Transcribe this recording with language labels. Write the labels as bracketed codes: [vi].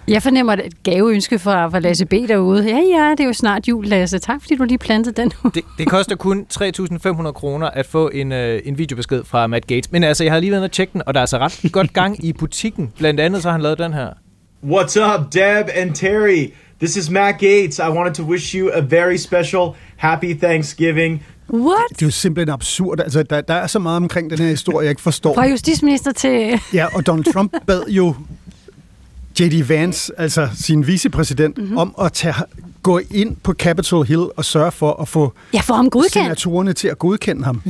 [da] Jeg fornemmer et gaveønske fra Lasse B. derude. Ja, ja, det er jo snart jul, Lasse. Tak, fordi du lige plantede den. Det koster kun 3.500 kroner at få en videobesked fra Matt Gaetz. Men altså, jeg har lige været at tjekke den, og der er altså ret godt gang i butikken. Blandt andet så har han lavet den her. [en] What's up, Deb and Terry? This is Matt Gaetz. I wanted to wish you a very special happy Thanksgiving. What? [da] Det er jo simpelthen absurd. Altså, der er så meget omkring den her historie, jeg ikke forstår. Fra justitsminister til... ja, og Donald Trump bad jo J.D. Vance, altså sin vicepræsident, mm-hmm. om at gå ind på Capitol Hill og sørge for at få ham godkendt. Senatorerne til at godkende ham.